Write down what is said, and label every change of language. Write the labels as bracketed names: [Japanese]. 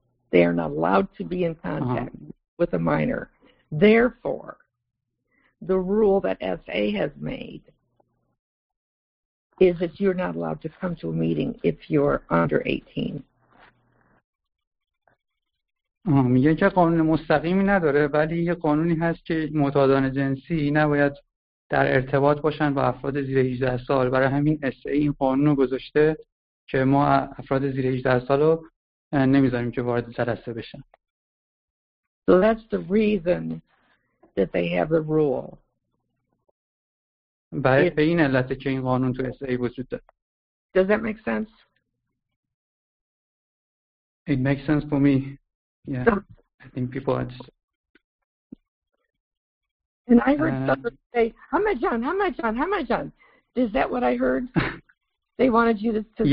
[English] They are not allowed to be in contact with a minor. Therefore, the rule that SA has made is that you're not allowed to come to a meeting if you're under 18. [Persian] میگه که قانون مستقیمی نداره، ولی یه قانونی هست که معتادان جنسی نباید در ارتباط باشن با افراد زیر 18 سال. برای همین SA این قانون رو گذاشته که ما افراد زیر 18 سال رو نمیذاریم که وارد جلسه بشن. [English] So that's the reason that they have the rule. [Persian] برای به این علته که این قانون تو SA وجود داره. [English] Does that make sense? It makes sense for me. Yeah, I think people are just... And I heard someone say, Hamajan. Is that what I heard? They wanted you to...